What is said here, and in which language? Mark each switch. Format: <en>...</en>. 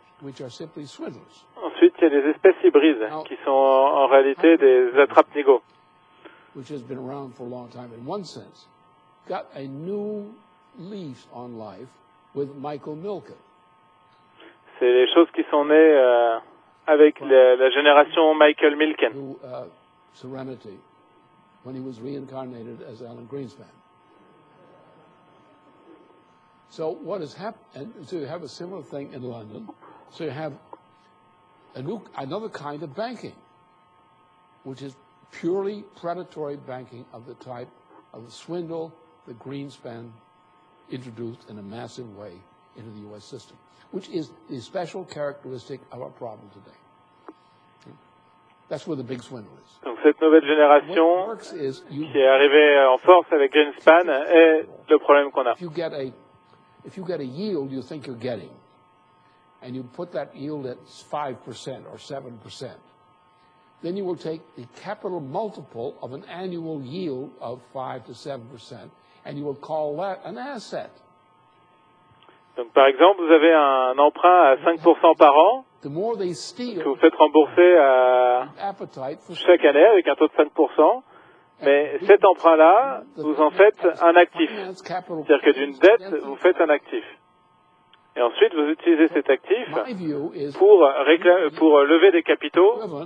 <fr>Ensuite, il y a des espèces hybrides qui sont en réalité des attrape-nigo. C'est les choses qui sont nées avec la génération Michael Milken.</fr> <en>Serenity, when he was reincarnated as Alan Greenspan. So what has happened? So you have a similar thing in London. So you have a new, another kind of banking, which is purely predatory banking of the type of the swindle that Greenspan introduced in a massive way into the U.S. system, which is the special characteristic of our problem today. That's where the big swindle is.</en> <fr>Donc cette nouvelle génération qui est arrivée en force avec Greenspan est le problème qu'on a.</fr> <en>If you get a yield you think you're getting, and you put that yield at 5% or 7%, then you will take the capital multiple of an annual yield of 5 to 7%, and you will call that an asset.</en> <fr>Donc par exemple, vous avez un emprunt à 5% par an que vous faites rembourser à chaque année avec un taux de 5%, mais cet emprunt-là, vous en faites un actif. C'est-à-dire que d'une dette, vous faites un actif. Et ensuite, vous utilisez cet actif pour lever des capitaux.</fr>